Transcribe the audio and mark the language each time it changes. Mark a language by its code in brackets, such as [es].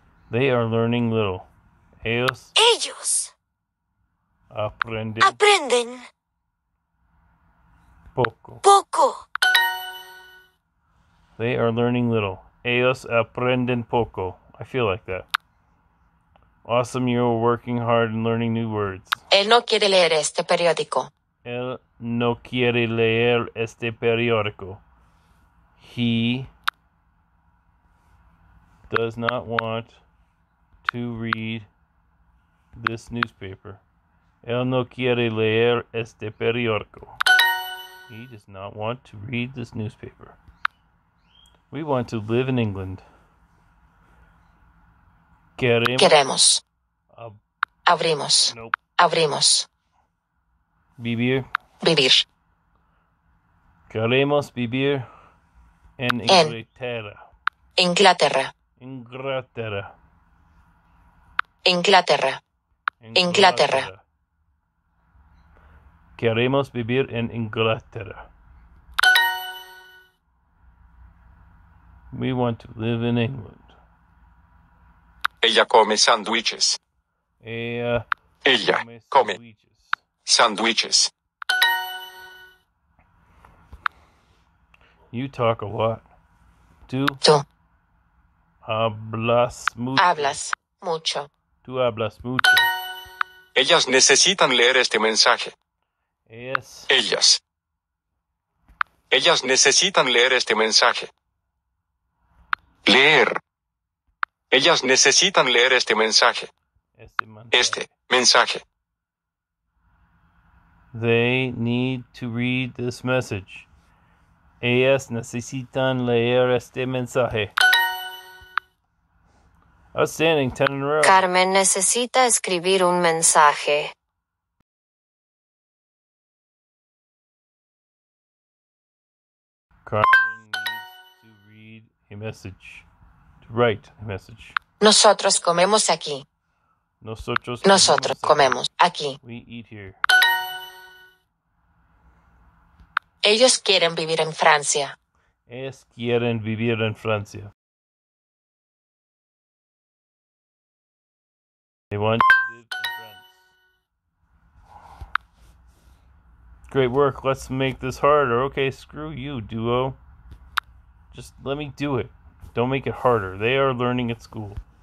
[en] They are learning little. [es] Ellos aprenden poco. [en] They are learning little. [es] Ellos aprenden poco. [en] I feel like that. Awesome, you're working hard and learning new words. [es] Él no quiere leer este periódico. Él no quiere leer este periódico. [en] He does not want to read this newspaper. [es] Él no quiere leer este periódico. [en] He does not want to read this newspaper. We want to live in England. [es] Queremos. Abrimos. [en] Nope. [es] Abrimos. Vivir. Vivir. Queremos vivir en Inglaterra. Inglaterra. Inglaterra. Inglaterra. Inglaterra. Inglaterra. Queremos vivir en Inglaterra. [en] We want to live in England. [es] Ella come sandwiches. Ella Ella come sandwiches. [en] You talk a lot. [es] Tú hablas mucho. Hablas mucho. Tú hablas mucho. Ellas necesitan leer este mensaje. Ellas. Ellas. Ellas necesitan leer este mensaje. Leer. Ellas necesitan leer este mensaje. Este mensaje. Este mensaje. [en] They need to read this message. [es] Ellas necesitan leer este mensaje. [en] Outstanding, 10 in a row. [es] Carmen necesita escribir un mensaje. [en] Carmen needs to read a message. To write a message. [es] Nosotros comemos aquí. Nosotros comemos aquí. [en] We eat here. [es] Ellos quieren vivir en Francia. Ellos quieren vivir en Francia. [en] They want to live in France. Great work. Let's make this harder. Okay, screw you, Duo. Just let me do it. Don't make it harder. They are learning at school.